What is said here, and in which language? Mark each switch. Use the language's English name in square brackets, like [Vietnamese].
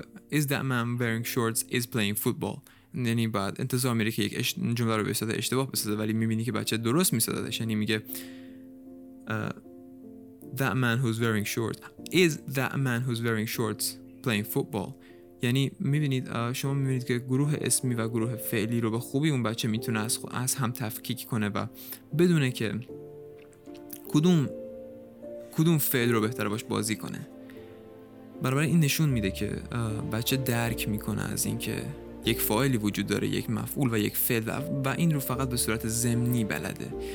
[English] Is that man wearing shorts is playing football? [Persian] یعنی بعد انتظار میره که یک جمله رو به صورت اشتباه بسازه، ولی میبینی که بچه درست میسازدش. یعنی میگه [English] that man who's wearing shorts is that man who's wearing shorts playing football. [Persian] یعنی میبینید، شما میبینید که گروه اسمی و گروه فعلی رو به خوبی اون بچه میتونه از هم تفکیک کنه و بدونه که کدوم فعل رو بهتر باش بازی کنه. برابر این نشون میده که بچه درک میکنه از این که یک فاعلی وجود داره، یک مفعول و یک فعل، و این رو فقط به صورت ضمنی بلده.